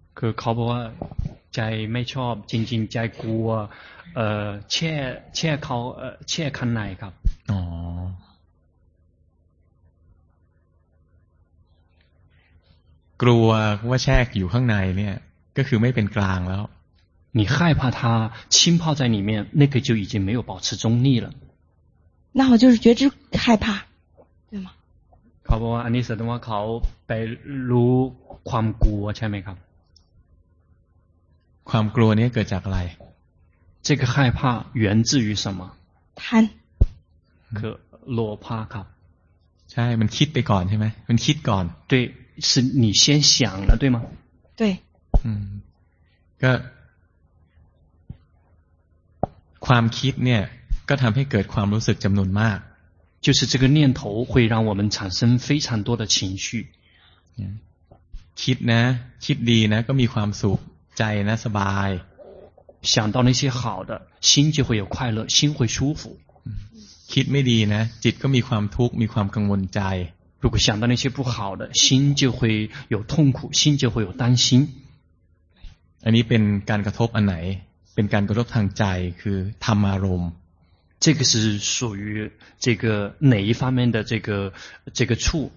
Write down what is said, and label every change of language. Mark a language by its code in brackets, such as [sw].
[th] คือเขาบอกว่าใจไม่ชอบจริงๆใจกลัวแช่แช่เขาแช่ข้างในครับ กลัวว่าแช่อยู่ข้างในเนี่ยก็คือไม่เป็นกลางแล้ว [zh] 你害怕它浸泡在里面，那个就已经没有保持中立了。那我就是觉知害怕，对吗？ [th] เขาบอกว่าอันนี้แสดงว่าเขาไปรู้ความกลัวใช่ไหมครับ ความกลัวนี้เกิดจากอะไร [zh] 这个害怕源自于什么贪 [th] คือโลภะครับ ใช่มันคิดไปก่อนใช่ไหมมันคิดก่อน [zh] 对是你先想了对吗对 [th] ก็ความคิดเนี่ยก็ทำให้เกิดความรู้สึกจำนวนมาก [zh] 就是这个念头会让我们产生非常多的情绪 [th] คิดนะคิดดีนะก็มีความสุขใจนะสบาย [zh] 想到那些好的心就会有快乐心会舒服 [th] คิดไม่ดีนะจิตก็มีความทุกข์มีความกังวลใจ [zh] 如果想到那些不好的心就会有痛苦心就会有担心 [th] อันนี้เป็นการกระทบอันไหนเป็นการกระทบทางใจคือธรรมารมณ์ [zh] 这个是属于这个哪一方面的这个处？